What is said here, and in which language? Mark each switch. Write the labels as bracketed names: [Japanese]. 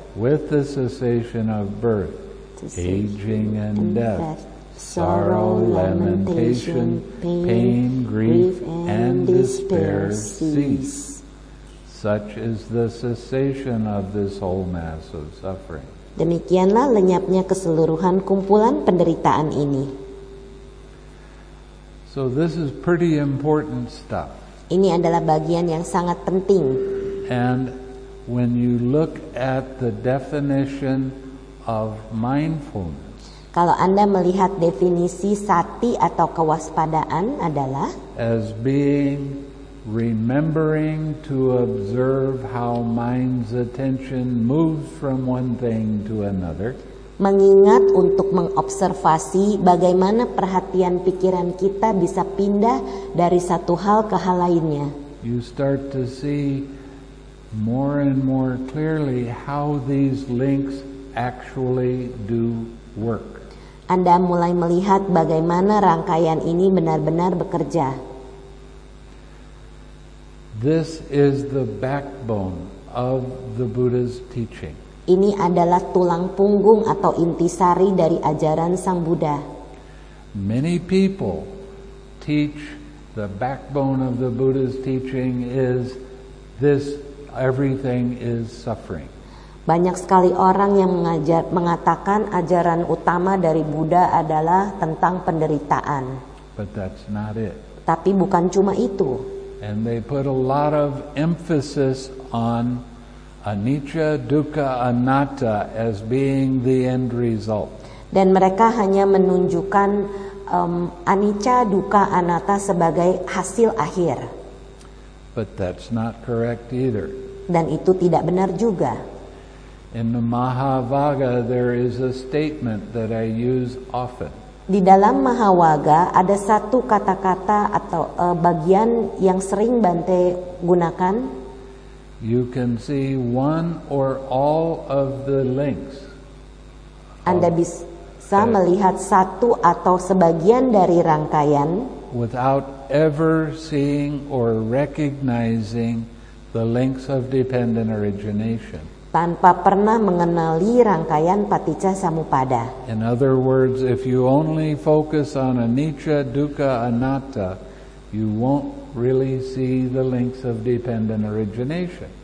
[English] With the cessation of birth, aging and death, sorrow, lamentation, pain, grief, and despair cease. Such is the cessation of this whole mass of suffering. [Indonesian] Demikianlah lenyapnya keseluruhan kumpulan penderitaan ini. [English] So this is pretty important stuff. [Indonesian] Ini adalah bagian yang sangat penting. [English] And when you look at the definition of mindfulness. [Indonesian] Kalau Anda melihat definisi sati atau kewaspadaan adalah [English] as being remembering to observe how mind's attention moves from one thing to another. [Indonesian] Mengingat untuk mengobservasi bagaimana perhatian pikiran kita bisa pindah dari satu hal ke hal lainnya. [English] You start to see more and more clearly how these links actually do work. [Indonesian] Anda mulai melihat bagaimana rangkaian ini benar-benar bekerja. [English] This is the backbone of the Buddha's teaching. [Indonesian] Ini adalah tulang punggung atau intisari dari ajaran Sang Buddha. [English] Many people teach the backbone of the Buddha's teaching is this: everything is suffering. [Indonesian] Banyak sekali orang yang mengatakan ajaran utama dari Buddha adalah tentang penderitaan. [English] But that's not it. [Indonesian] Tapi bukan cuma itu. [English] And they put a lot of emphasis on anicca, dukkha, anatta as being the end result. [Indonesian] Dan mereka hanya menunjukkan anicca, dukkha, anatta sebagai hasil akhir. [English] But that's not correct either. [Indonesian] Dan itu tidak benar juga. [English] In the Mahavagga there is a statement that I use often. [Indonesian] Di dalam Mahavagga ada satu kata-kata atau bagian yang sering Bante gunakan. [English] You can see one or all of the links. [Indonesian] Anda bisa melihat satu atau sebagian dari rangkaian [English] without ever seeing or recognizing the links of dependent origination. [Indonesian] Tanpa pernah mengenali rangkaian paticca samuppada. [English] In other words, if you only focus on anicca, dukkha, anatta, you won't really see the links of dependent origination.